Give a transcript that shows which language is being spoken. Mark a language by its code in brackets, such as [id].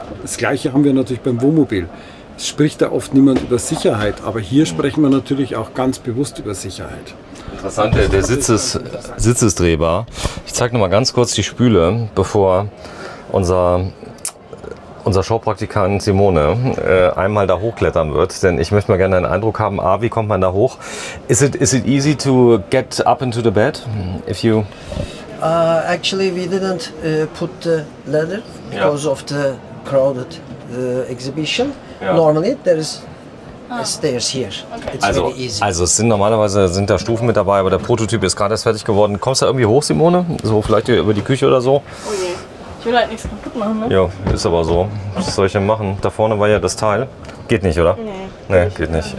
[de] Das gleiche haben wir natürlich beim Wohnmobil. Es spricht da oft niemand über Sicherheit, aber hier sprechen wir natürlich auch ganz bewusst über Sicherheit. Interessant, der Sitz ist drehbar. Ich zeige noch mal ganz kurz die Spüle, bevor unser Showpraktikant Simone einmal da hochklettern wird. Denn ich möchte mal gerne einen Eindruck haben, wie kommt man da hoch? [en] Is it easy to get up into the bed? If you actually we didn't put the ladder because of the crowded exhibition. Yeah. Normally there is stairs here. Okay. It's also, really easy. [de] Also es sind normalerweise sind da Stufen mit dabei, aber der Prototyp ist gerade erst fertig geworden. Kommst du da irgendwie hoch, Simone? So vielleicht über die Küche oder so? Oh je. Ich will halt nichts kaputt machen, ne? Ja, ist aber so. Was soll ich denn machen? Da vorne war ja das Teil. Geht nicht, oder? Nee. Nee, geht nicht.